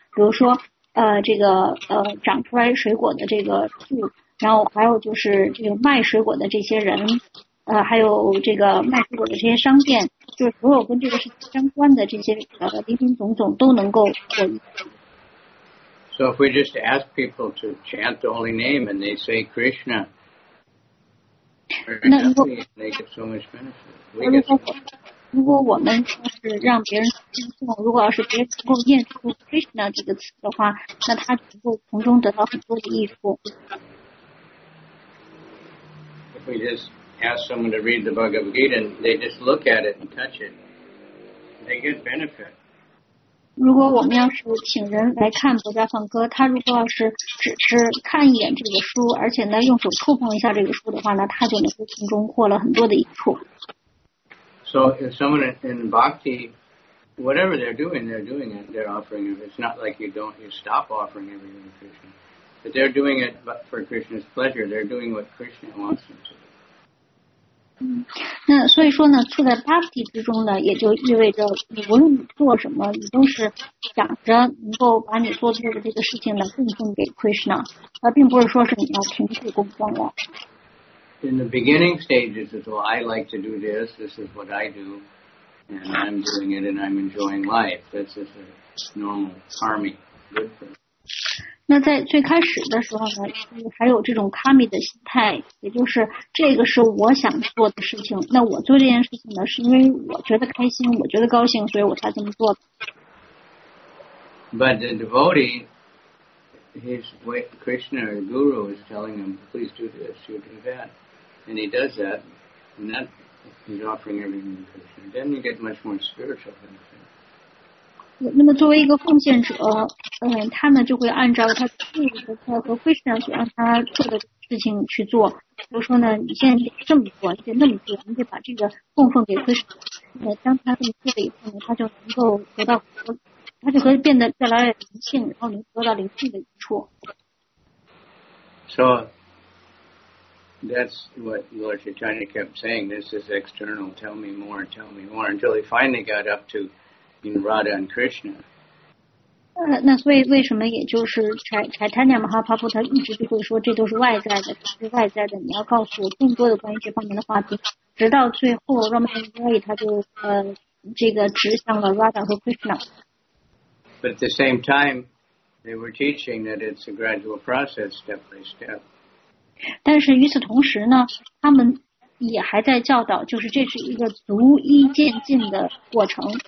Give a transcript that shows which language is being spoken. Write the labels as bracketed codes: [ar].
[zh] 比如说这个长出来水果的这个树。然后还有就是这个卖水果的这些人，还有这个卖水果的这些商店，就是所有跟这个事情相关的这些零零总总都能够获益。 [en] So if we just ask people to chant the holy name and they say Krishna, they get so much benefit. [zh] 如果我们要是让别人听众，如果要是别人能够念出 Krishna 这个词的话，那他能够从中得到很多的益处。 [en] We just ask someone to read the Bhagavad Gita and they just look at it and touch it. They get benefit. [zh] 如果我们要是请人来看佛家放歌，他如果要是只是看一眼这个书，而且呢用手触碰一下这个书的话呢，他就能够从中获了很多的益处。 [en] So if someone in bhakti, whatever they're doing it, they're offering it. It's not like you stop offering everything to Krishna. But they're doing it for Krishna's pleasure. They're doing what Krishna wants them to. [zh] 那所以说呢，处在 bhakti 之中呢，也就意味着你无论你做什么，你都是想着能够把你做出的这个事情呢供奉给 Krishna， 而并不是说是你要停止供奉了。 [en] In the beginning stages, it's well, I like to do this. This is what I do, and I'm doing it, and I'm enjoying life. That's just a normal karmic good thing. [zh] 那在最开始的时候呢，还有这种 kami 的心态，也就是这个是我想做的事情。那我做这件事情呢，是因为我觉得开心，我觉得高兴，所以我才这么做的。 [en] But the devotee, his way, Krishna or Guru is telling him, please do this, you do that, and he does that, and that he's offering everything to Krishna. Then you get much more spiritual benefit. [zh] 那么作为一个奉献者，他呢就会按照他自己的他和 Krishna 所让他做的事情去做。比如说呢，你现在这么做，你得那么做，你得把这个供奉给 Krishna。当他这么做了以后呢，他就能够得到，他就可以变得越来越灵性，然后能得到灵性的益处。 [en] So that's what Lord Chaitanya kept saying. This is external. Tell me more. Tell me more. Until he finally got up to. In Radha and Krishna. [zh] 那所以为什么也就是Chaitanya Mahaprabhu他一直就会说这都是外在的，是外在的。你要告诉我更多的关于这方面的话题，直到最后 Ramanujai 他就这个指向了 Radha 和 Krishna. [en] But at the same time, they were teaching that it's a gradual process, step by step. [zh] 但是与此同时呢，他们也还在教导，就是这是一个逐一渐进的过程。